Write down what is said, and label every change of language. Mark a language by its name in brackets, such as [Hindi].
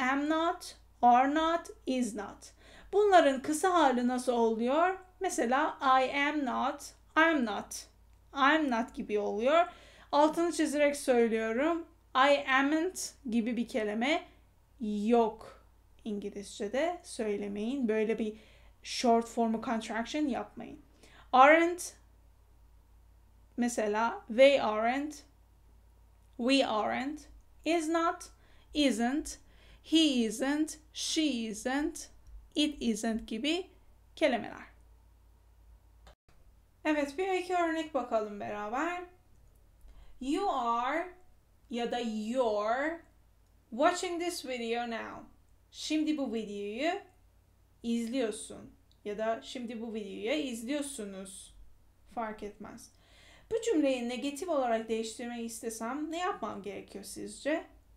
[English] Am not, are not, is not. [Turkish] Bunların kısa hali nasıl oluyor? Mesela [English] I am not, I'm not, I'm not [Turkish] gibi oluyor. Altını çizerek söylüyorum. I am'n't gibi bir kelime yok İngilizce'de. Söylemeyin. Böyle bir short form contraction yapmayın. [English] Aren't mesela they aren't, we aren't, is not, isn't, he isn't, she isn't, it isn't [Turkish] gibi kelimeler. Evet, bir iki örnek bakalım beraber. [English] You are [Turkish] ya da [English] you're watching this video now. [Turkish] Şimdi bu videoyu izliyorsun ya da şimdi bu videoyu izliyorsunuz. Fark etmez. Bu cümleyi negatif olarak değiştirmeyi istesem ne yapmam gerekiyor sizce?